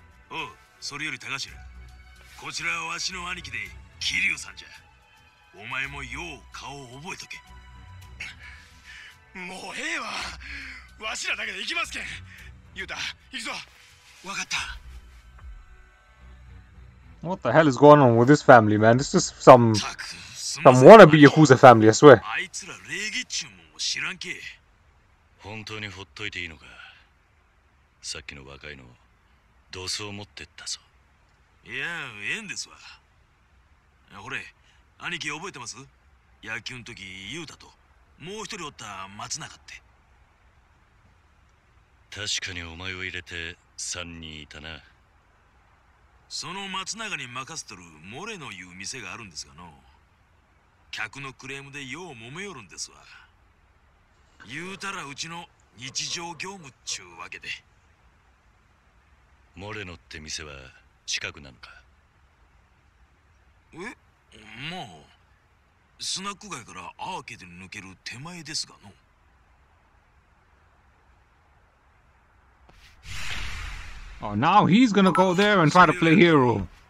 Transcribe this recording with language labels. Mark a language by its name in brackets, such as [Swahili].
[Japanese] おう、それより高城、こちらはわしの兄貴で桐生さんじゃ。お前もよう顔を覚えとけ。もうええわ、わしらだけで行きますけん。ユータ、行くぞ。わかった。 [English] What the hell is going on with this family, man? This is some wannabe Yakuza family, I swear. [Japanese] あいつら礼儀っちゅうもん知らんけ。本当にほっといていいのか。さっきの若いの、どうそう持ってったぞ。いや、ええんですわ。ほれ、兄貴覚えてます？野球の時、ユータと、もう一人おった松永って。確かにお前を入れて、三人いたな。その松永に任せとるモレノいう店があるんですがの、客のクレームでよう揉めよるんですわ。言うたらうちの日常業務っちゅうわけで。モレノって店は近くなのか？え、まあスナック街からアーケードに抜ける手前ですがの。 [English] Oh, now he's gonna go there and try to play hero.